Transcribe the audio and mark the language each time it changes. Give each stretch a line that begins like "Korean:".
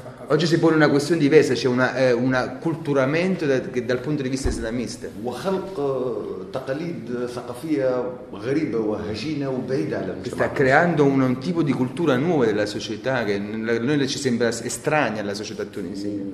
Italian: Oggi si pone una questione diversa, c'è un acculturamento dal punto di vista islamista.
Arabic: وخلق تقاليد ثقافية غريبة وهجينة وبعيدة على المجتمع.
Italian: Sta creando un tipo di cultura nuova della società che noi ci sembra estranea alla società tunisina.